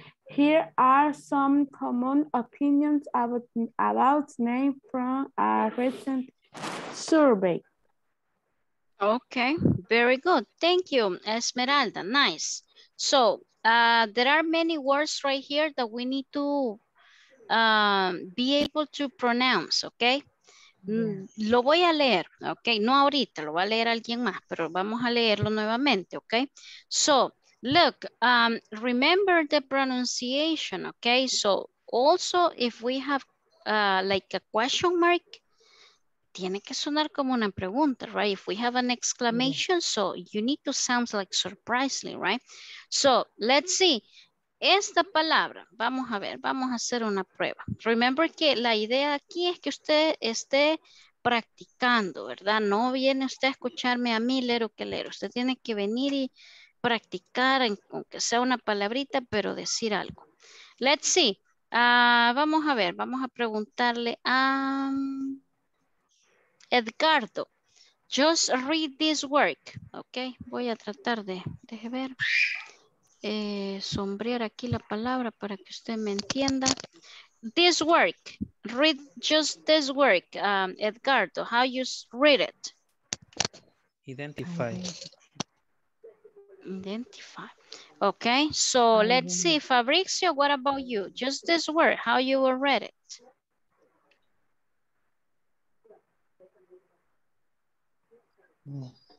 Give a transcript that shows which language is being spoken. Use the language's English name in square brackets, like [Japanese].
[English] Here are some common opinions about names from a recent survey. Okay, very good. Thank you, Esmeralda. Nice. So, there are many words right here that we need to be able to pronounce, okay? [Spanish] Lo voy a leer, ok, no ahorita, lo va a leer alguien más, pero vamos a leerlo nuevamente, ok. [English] So, look, remember the pronunciation, ok. So, also, if we have like a question mark, [Spanish] tiene que sonar como una pregunta, [English] right? If we have an exclamation, so you need to sound like surprisingly, right? So, let's see. [Spanish] Esta palabra, vamos a ver, vamos a hacer una prueba. [English] Remember [Spanish] que la idea aquí es que usted esté practicando, ¿verdad? No viene usted a escucharme a mí leer o que leer. Usted tiene que venir y practicar, aunque sea una palabrita, pero decir algo. [English] Let's see. [Spanish] Vamos a ver, vamos a preguntarle a Edgardo. [English] Just read this work, [Spanish] ¿ok? Voy a tratar de, deje ver. Sombrear aquí la palabra para que usted me entienda. [English] This work, read just this work, Edgardo, how you read it? Identify. Identify. Okay, so let's see, Fabrizio, what about you? Just this word, how you will read it?